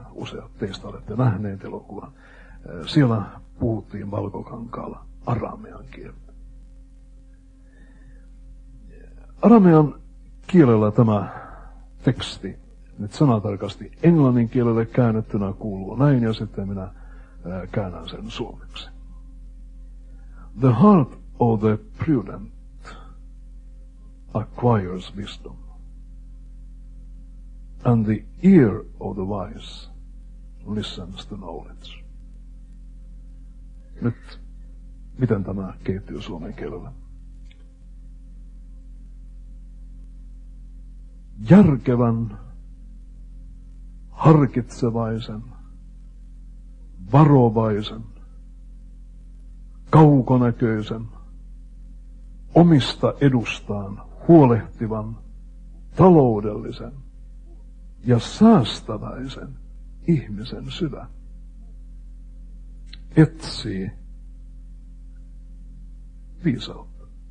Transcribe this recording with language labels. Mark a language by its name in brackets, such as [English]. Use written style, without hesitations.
[Finnish] Useat teistä olette nähneet elokuvan. Siellä puhuttiin valkokankaalla aramean kieltä. Aramean kielellä tämä teksti, nyt sanatarkasti englannin kielelle käännettynä, kuuluu näin, ja sitten minä käännän sen suomeksi. [English] The heart of the prudent acquires wisdom, and the ear of the wise listens to knowledge. [Finnish] Nyt, miten tämä kehittyy suomen kielellä? Järkevän, harkitsevaisen, varovaisen, kaukonäköisen, omista edustaan huolehtivan, taloudellisen ja säästäväisen ihmisen sydän etsii viisautta.